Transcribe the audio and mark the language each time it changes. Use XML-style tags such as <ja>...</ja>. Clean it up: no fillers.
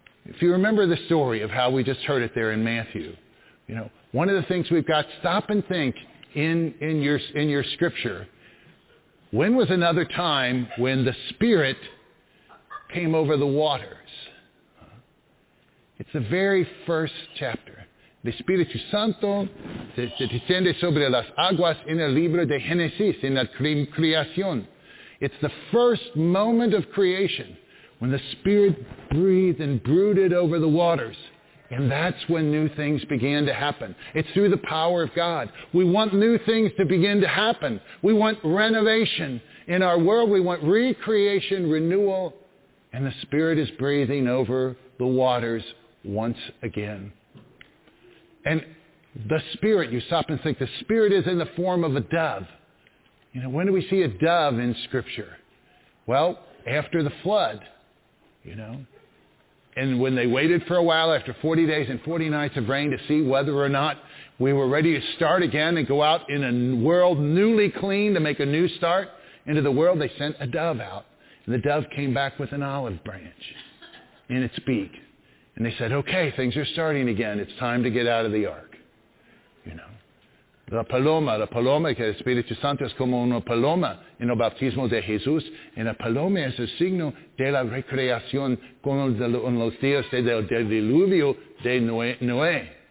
<en>If you remember the story of how we just heard it there in Matthew, one of the things we've got, stop and think in your scripture. When was another time when the Spirit came over the waters? It's the very first chapter.</en> <es>El Espíritu Santo se desciende sobre las aguas en el libro de Génesis, en la creación.</es> <en>It's the first moment of creation. When the Spirit breathed and brooded over the waters. And that's when new things began to happen. It's through the power of God. We want new things to begin to happen. We want renovation in our world. We want recreation, renewal. And the Spirit is breathing over the waters once again. And the Spirit, you stop and think, the Spirit is in the form of a dove. When do we see a dove in Scripture? Well, after the flood. And when they waited for a while after 40 days and 40 nights of rain to see whether or not we were ready to start again and go out in a world newly clean to make a new start into the world, they sent a dove out. And the dove came back with an olive branch in its beak. And they said, okay, things are starting again. It's time to get out of the ark.</en> <es>La paloma que el Espíritu Santo es como una paloma en el bautismo de Jesús. Y la paloma es el signo de la recreación con los días del diluvio de Noé.</es>